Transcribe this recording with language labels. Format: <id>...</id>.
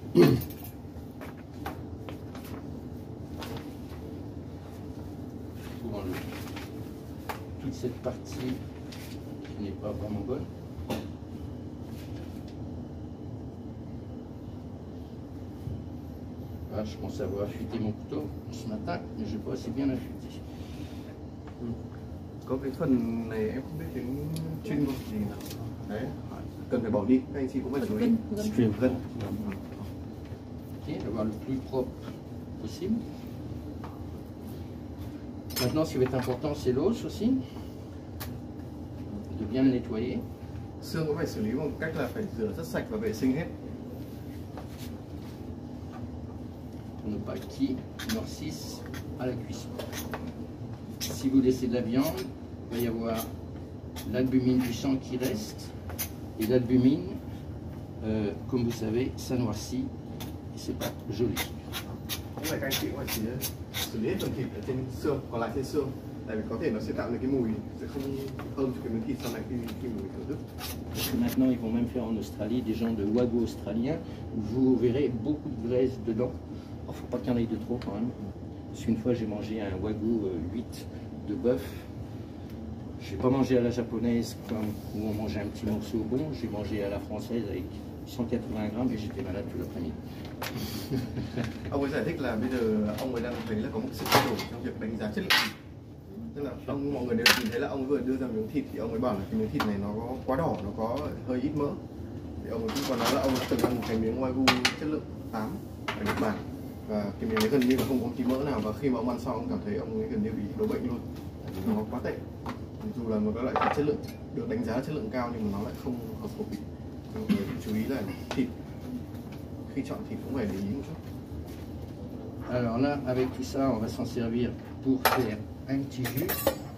<fr>Pour enlever toute cette partie qui n'est pas vraiment bonne. Ah, je pense avoir affûté mon couteau ce matin, mais je n'ai pas aussi bien affûté.</fr> <vi>Có cái phần này em không biết tiếng chuyên ngôn gì nào. Đấy. Cần phải bỏ đi, các anh chị cũng phải chú ý. Truyền cân.</vi> <fr>Ok,</fr> <vi>là vào</vi> <fr>le plus propre possible. Maintenant, ce qui est important, c'est l'os aussi. De bien le nettoyer.</fr> <vi>Xương cũng phải xử lý bằng cách là phải rửa rất sạch và vệ sinh hết.</vi> <fr>Pour ne pas qu'il noircisse à la cuisson. Si vous laissez de la viande, il va y avoir l'albumine du sang qui reste. Et l'albumine, comme vous savez, ça noircit et c'est pas joli. Parce que maintenant, ils vont même faire en Australie des gens de wagyu australiens où vous verrez beaucoup de graisse dedans. Alors, faut pas qu'il y en ait de trop quand même. Parce qu'une fois, j'ai mangé un wagyu 8 de bœuf. J'ai pas mangé à la japonaise comme où on mangeait un petit morceau bon, j'ai mangé à la française avec 180 grammes et j'étais malade tout l'après-midi.</fr> <vi>Ông ấy giải thích là bây giờ ông ấy đang thấy là có một sự thay đổi trong việc đánh giá chất lượng. Tức là ông, mọi người đều nhìn thấy là ông vừa đưa ra miếng thịt thì ông ấy bảo là cái miếng thịt này nó có quá đỏ, nó có hơi ít mỡ. Thì ông ấy cũng còn nói là ông từng ăn một cái miếng wagyu chất lượng 8 ở Nhật Bản và cái miếng ấy gần như là không có một tí mỡ nào và khi mà ông ăn xong ông cảm thấy ông ấy gần như bị đổ bệnh luôn. Nó quá tệ. Dù là một cái loại chất lượng được đánh giá chất lượng cao nhưng mà nó lại không hợp khẩu vị. Mọi người chú ý là thịt, khi chọn thịt cũng phải để ý một chút.</vi> <fr>Alors là, avec tout ça, on va s'en servir pour faire un petit jus.</fr>